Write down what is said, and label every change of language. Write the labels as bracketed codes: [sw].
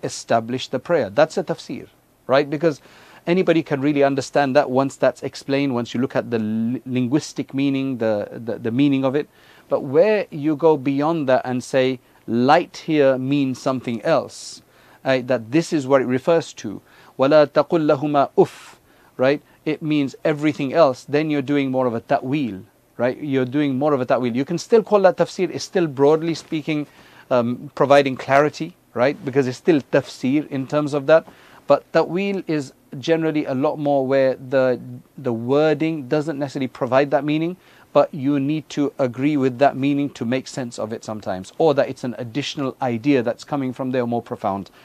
[en] Establish the prayer. That's a tafsir, right? Because anybody can really understand that once that's explained, once you look at the linguistic meaning, the meaning of it. But where you go beyond that and say, light here means something else, right? That this is what it refers to. [ar] وَلَا تَقُلْ لَهُمَا أُفْ, right? [en] It means everything else. Then you're doing more of a ta'wil, right? You're doing more of a ta'wil. You can still call that tafsir. It's still, broadly speaking, providing clarity, right? Because it's still tafsir in terms of that. But ta'wil is generally a lot more where the wording doesn't necessarily provide that meaning, but you need to agree with that meaning to make sense of it sometimes, or that it's an additional idea that's coming from there, more profound.